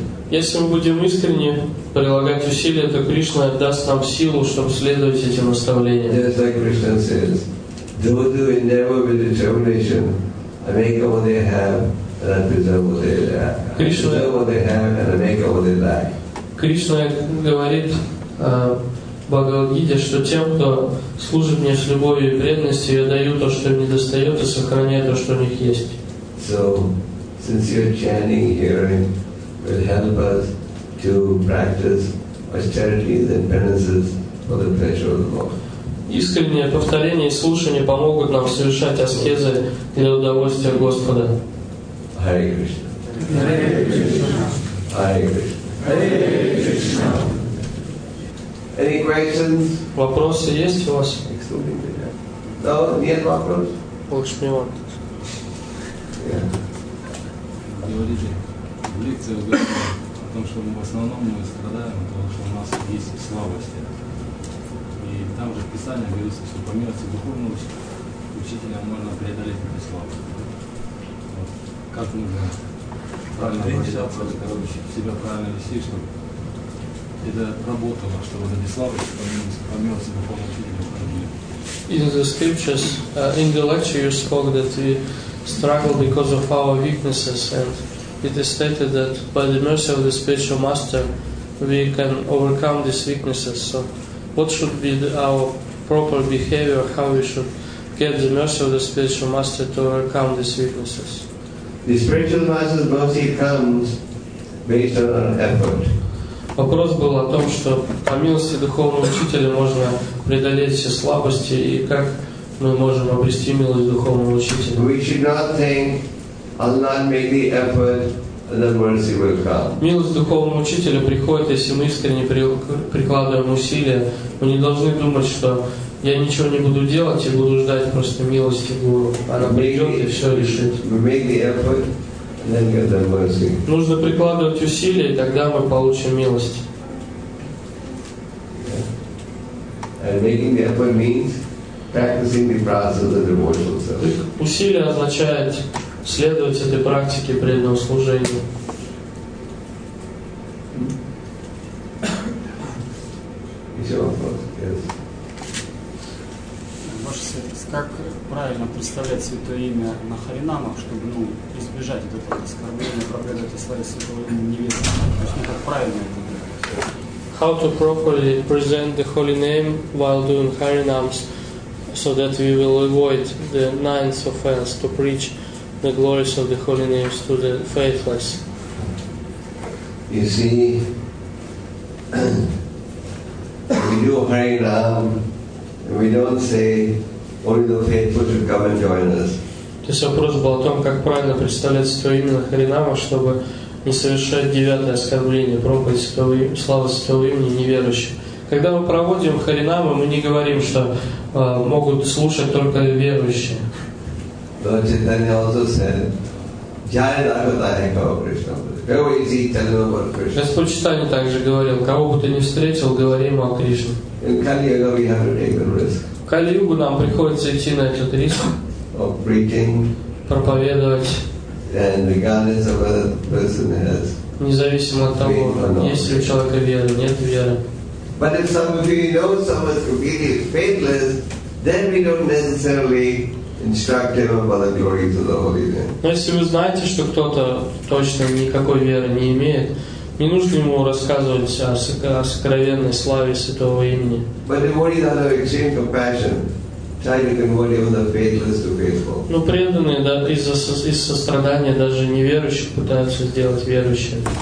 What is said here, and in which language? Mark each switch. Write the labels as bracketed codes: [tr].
[ru] Если мы будем искренне прилагать усилия, то Кришна даст нам силу, чтобы следовать этим наставлениям. [en] Just like Krishna says, do endeavor with determination. I make what they have and I preserve what they lack. Krishna, I preserve what they have and I make what they lack. [ru] Кришна говорит Бхагавад-гите, что тем, кто служит мне с любовью и преданностью, я даю то, что им не достает, и сохраняю то, что у них есть. [en] So, since you're chanting, hearing, will help us to practice austerities and penances for the pleasure of the Lord. [ru] Искреннее повторение и слушание помогут нам совершать аскезы для удовольствия Господа. [en] Hare Krishna. Hare Krishna. Hare Krishna. Hare Krishna. Any questions? [ru] Вопросы есть у вас? [en] No, [ru] нет вопросов? Лучше мне вон. Лекция о том, что в основном мы страдаем от того, что у нас есть слабости. И там же в Писании говорится, что по милости духовного учителя можно преодолеть эту слабость. Вот. Как нужно правильно обращаться, короче, себя правильно вести, чтобы это работало, чтобы эти слабости по милости духовного учителя проходили. [en] In the scriptures, in the lecture you spoke that we struggle because of our weaknesses and it is stated that by the mercy of the spiritual master, we can overcome these weaknesses. So, what should be our proper behavior? How we should get the mercy of the spiritual master to overcome these weaknesses? The spiritual master's mercy comes based on our effort. [ru] Вопрос был о том, что по милости духовного учителя можно преодолеть все слабости, и как мы можем обрести милость духовного учителя. [en] We should not think Allah made the effort and the mercy will come. [ru] Милость духовному учителю приходит, если мы искренне прикладываем усилия. Мы не должны думать, что я ничего не буду делать и буду ждать просто милости Гуру. Она придет и все решит. [en] Make the effort and then get the mercy. [ru] Нужно прикладывать усилия, и тогда мы получим милость. [en] Yeah. And making the effort means practicing the process of the devotional service. [ru] Усилие означает следовать этой практике преданного служения. Еще вопрос. Ваш сервис, как правильно представлять святое имя на харинамах, чтобы избежать этого оскорбления, проповедовать о славе святого имени невинного? То есть, как правильно это делать? [en] How to properly present the holy name while doing harinams, so that we will avoid the ninth offense to preach the glories of the holy names to the faithless. You see, we do harinam and we don't say only the faithful should come and join us. [ru] То есть вопрос был о том, как правильно представлять святое имя на харинамах, чтобы не совершать девятое оскорбление, проповедь святого имени, слава святого имени неверующих. Когда мы проводим харинамы, мы не говорим, что могут слушать только верующие. [en] Lord Chaitanya also said, Jai Raghavataya Kava Krishna Bhutta. Whoever you see, tell them about Krishna. [ru] Господь Читание также говорил, кого бы ты ни встретил, говори ему о Кришне. [en] In Kali-Yuga we have to take the risk. [ru] В Кали-Югу нам приходится идти на этот риск. [en] Of preaching. [ru] Проповедовать. [en] And regardless of whether the person has. [ru] Независимо от того, есть ли у человека вера, нет веры. [en] But if some of you know someone is completely faithless, then we don't necessarily [ru] Но если вы знаете, что кто-то точно никакой веры не имеет, не нужно ему рассказывать о сокровенной славе святого имени. Но преданные, да, из сострадания даже неверующих пытаются сделать верующим.